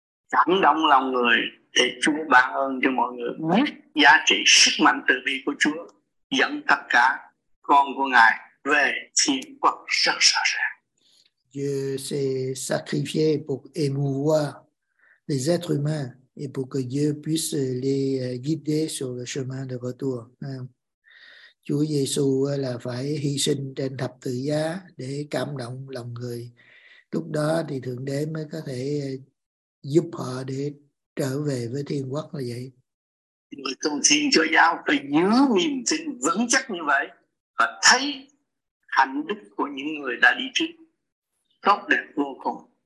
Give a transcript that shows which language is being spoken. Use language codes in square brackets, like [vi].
[vi] Cảm động lòng người để Chúa ban ơn cho mọi người biết giá trị sức mạnh từ bi của Chúa, dẫn tất cả con của Ngài về thiên quốc rất xa xa. [fr] Dieu s'est sacrifié pour émouvoir les êtres humains et pour que Dieu puisse les guider sur le chemin de retour. [vi] Chúa Giêsu là phải hy sinh trên thập tự giá để cảm động lòng người. Lúc đó thì Thượng Đế mới có thể giúp họ để trở về với thiên quốc là vậy. Người tôn thiên cho giáo phải giữ niềm tin vững chắc như vậy và thấy hạnh đức của những người đã đi trước tốt đẹp vô cùng.